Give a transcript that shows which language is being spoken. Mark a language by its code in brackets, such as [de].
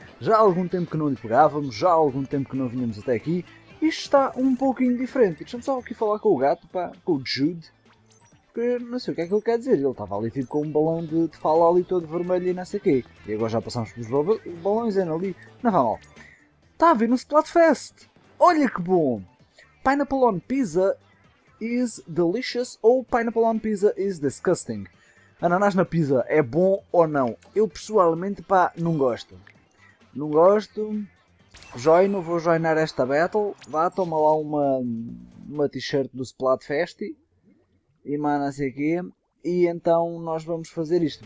[pt] Já há algum tempo que não lhe pegávamos, já há algum tempo que não vínhamos até aqui, isto está um pouquinho diferente. Deixa-me só aqui falar com o gato, pá, com o Jude. Não sei o que é que ele quer dizer, ele estava ali tipo com um balão de fala ali todo vermelho e não sei o quê. E agora já passamos pelos balões ali, não vai mal. Está a vir um Splatfest! Olha que bom! [en] Pineapple on pizza is delicious ou pineapple on pizza is disgusting? [pt] Ananás na pizza é bom ou não? Eu pessoalmente, pá, não gosto. Não gosto. Joino, vou joinar esta battle. Vá, toma lá uma t-shirt do Splatfest. E mana assim aqui, e então nós vamos fazer isto.